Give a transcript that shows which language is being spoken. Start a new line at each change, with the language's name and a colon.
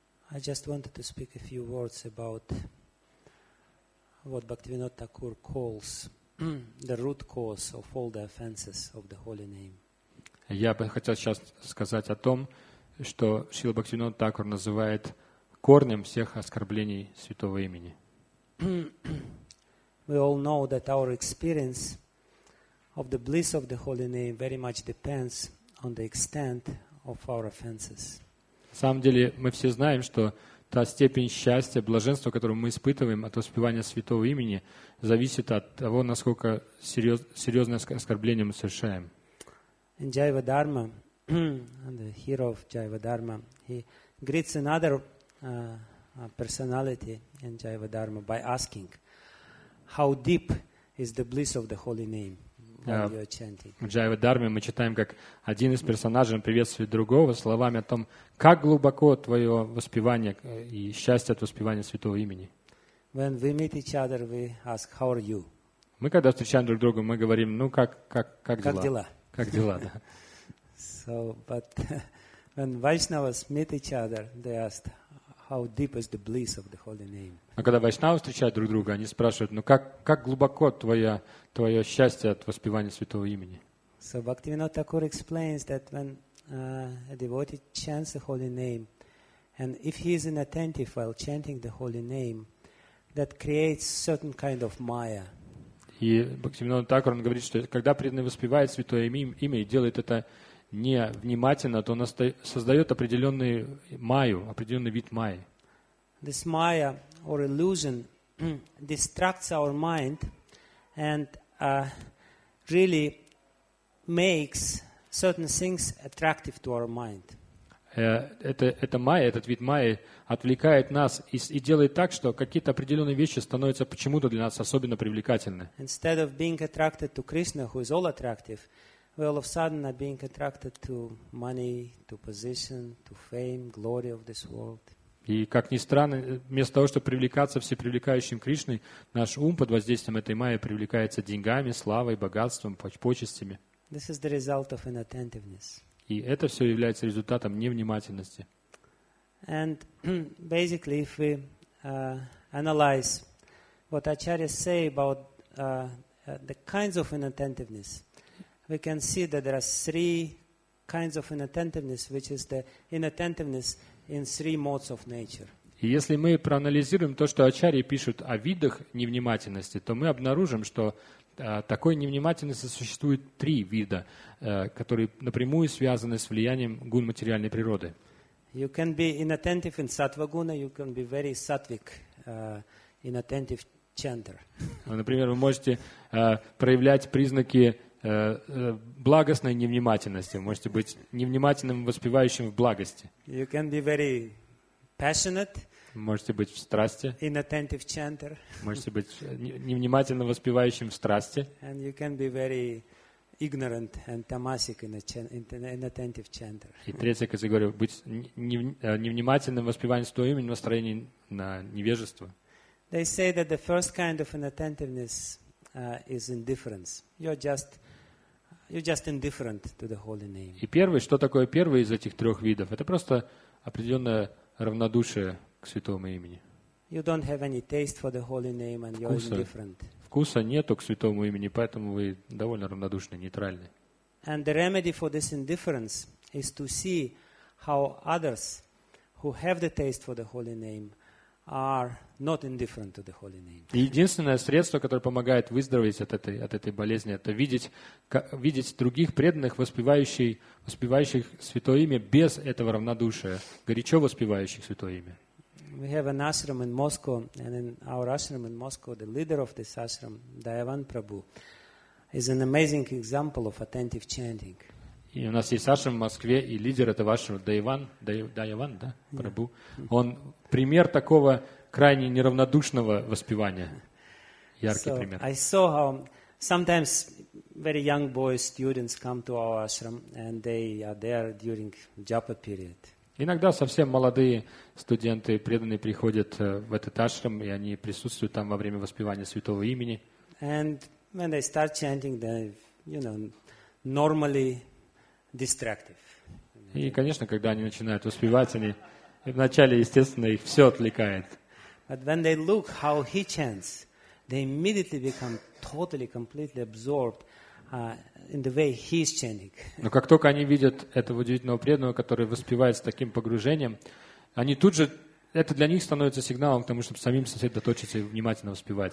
English: I just wanted to speak a few words about what Bhaktivinoda Thakur calls the root cause of all the offenses of the holy name.
Russian: Я бы хотел сейчас сказать о том, что Шрила Бхактивинода Такур называет корнем всех оскорблений святого имени.
English: We all know that our experience of the bliss of the holy name very much depends on the extent of our offenses.
Russian: На самом деле, мы все знаем, что та степень счастья, блаженства, которое мы испытываем от воспевания святого имени, зависит от того, насколько серьезное оскорбление мы совершаем.
English: In Jaiva Dharma, the hero of Jaiva Dharma, he greets another personality in Jaiva Dharma by asking, how deep is the bliss of the holy name?
Russian: В Джайва Дарме мы читаем, как один из персонажей приветствует другого словами о том, как глубоко твое воспевание и счастье от воспевания святого имени.
English: When we meet each other, we ask, how are you?
Russian: Мы когда встречаем друг друга, мы говорим, ну как дела? Как дела? Как дела, да.
English: So, but when Vaishnavas meet each other, they ask, how deep is the bliss of the holy name?
Russian: А когда Вайшнавы встречают друг друга, они спрашивают, ну как глубоко твое счастье от воспевания святого имени?
English: So Bhaktivinoda Thakur explains that when a devotee chants the holy name, and if he is inattentive while chanting the holy name, that creates certain kind of maya.
Russian: И Бхактивинода Такур говорит, что когда преданный воспевает святое имя и делает это невнимательно, то он создает определенную майю, определенный вид майи.
English: This maya or illusion distracts our mind and really makes certain things attractive to our mind.
Russian: Это майя, этот вид майи отвлекает нас и делает так, что какие-то определенные вещи становятся почему-то для нас особенно привлекательны.
English: Instead of being attracted to Krishna, who is all attractive, we all of a sudden are being attracted to money, to position, to fame, glory of this world.
Russian: И как ни странно, вместо того, чтобы привлекаться всепривлекающим Кришной, наш ум под воздействием этой майи привлекается деньгами, славой, богатством, почестями.
English: This is the result of inattentiveness.
Russian: И это все является результатом невнимательности.
English: And basically, if we analyze what Acharya say about the kinds of inattentiveness, we can see that there are three kinds of inattentiveness, which is the inattentiveness in three modes of nature.
Russian: И если мы проанализируем то, что Ачарьи пишут о видах невнимательности, то мы обнаружим, что такой невнимательности существует три вида, которые напрямую связаны с влиянием гун материальной природы.
English: You can be inattentive in sattva guna, you can be very sattvic inattentive chanter.
Russian: Например, вы можете проявлять признаки благостной невнимательности. Вы можете быть невнимательным воспевающим в благости.
English: You can be very passionate.
Russian: Можете быть в страсти.
English: Inattentive chanter.
Russian: Можете быть невнимательно воспевающим в страсти.
English: And you can be very ignorant and tamasic inattentive chanter.
Russian: И третья категория – быть невнимательным воспеванием святого имени в настроении на невежество.
English: They say that the first kind of inattentiveness is indifference. You're just indifferent to the holy name.
Russian: И первый, что такое первый из этих трех видов? Это просто определенное равнодушие к святому имени.
English: You don't have any taste for the holy name, and you're indifferent.
Russian: Вкуса нету к святому имени, поэтому вы довольно равнодушны, нейтральны.
English: And the remedy for this indifference is to see how others who have the taste for the holy name are not indifferent to the holy name.
Russian: Единственное средство, которое помогает выздороветь от этой болезни, это видеть других преданных, воспевающих святое имя без этого равнодушия, горячо воспевающих святое имя.
English: We have an ashram in Moscow, and in our ashram in Moscow, the leader of this ashram, Dayavan Prabhu, is an amazing example of attentive chanting.
Russian: И у нас есть ашрам в Москве, и лидер этого ашрама Дайван, да, Прабу, он пример такого крайне неравнодушного воспевания. Яркий пример.
English: I saw how sometimes very young boys, students come to our ashram, and they are there during japa period.
Russian: Иногда совсем молодые студенты, преданные, приходят в этот ашрам, и они присутствуют там во время воспевания святого имени.
English: And when they start chanting, they, you know, normally destructive.
Russian: И, конечно, когда они начинают успевать, они вначале, естественно, их все отвлекает.
English: But when they look how he chants, they immediately become totally, completely absorbed in the way he is chanting.
Russian: Но как только они видят этого удивительного преданного, который воспевает с таким погружением, они тут же, это для них становится сигналом к тому, чтобы самим сосредоточиться и внимательно воспевать.